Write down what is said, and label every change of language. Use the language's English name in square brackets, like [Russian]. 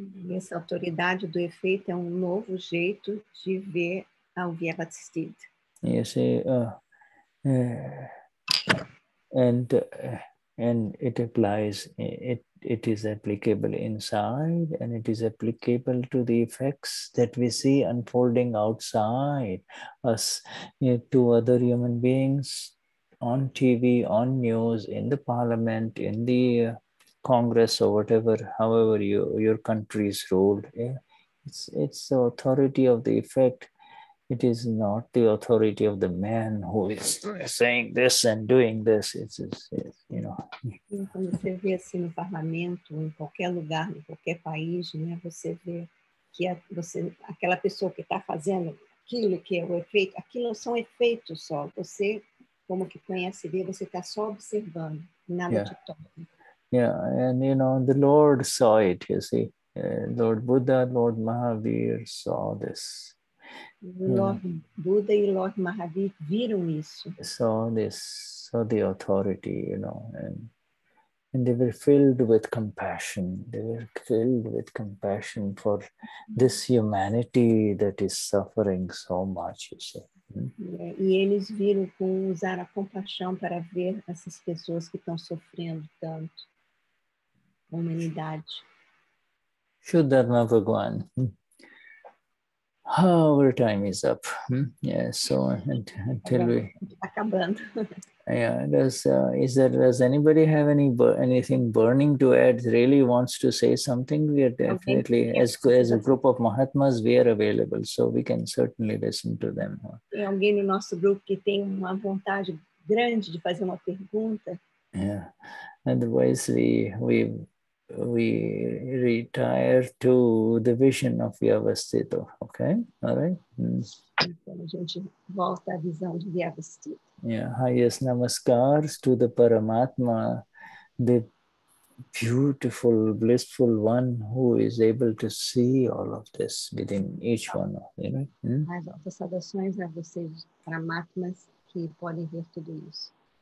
[Portuguese] Essa autoridade do efeito é um novo jeito de ver ao Vyavasthit. [English] You see, and it applies, it is applicable inside, and it is applicable to the effects that we see unfolding outside us, you know, to other human beings on TV, on news, in the parliament, in the Congress, or whatever, however your country is ruled. Yeah? It's the authority of the effect. It is not the authority of the man who is saying this and doing this. It's you know. [Portuguese] Quando você vê assim no parlamento, em qualquer lugar, em qualquer país, né, você vê que você, aquela pessoa que está fazendo aquilo que é o efeito, aquilo são efeitos só. Você, como que conhece, vê, você está só observando, nada te toca. [English] Yeah, and you know, the Lord saw it, you see. Lord Buddha, Lord Mahavir saw this. [Portuguese] Lord Buddha e Lord Mahavir viram isso. [English] Saw the authority, you know, and they were filled with compassion. They were filled with compassion for this humanity that is suffering so much, you see. [Portuguese] E eles viram com usar a compaixão para ver essas pessoas que estão sofrendo tanto, a humanidade. [English] Shuddha Bhagwan. Our time is up. Yeah, so until we [Portuguese] acabando. [English] Yeah, does anybody have anything burning to add? Really wants to say something? We are definitely, as a group of Mahatmas, we are available, so we can certainly listen to them. [Portuguese] Tem alguém no nosso grupo que tem uma vontade grande de fazer uma pergunta? [English] Yeah. Otherwise we retire to the vision of Vyavasthit. Okay, all right. [Portuguese] A gente volta à visão de Vyavasthit. [English] Yeah, highest namaskars to the Paramatma, the beautiful, blissful one who is able to see all of this within each one. You know. [Portuguese] As altas saudações a vocês, Paramatmas, que podem ver tudo isso.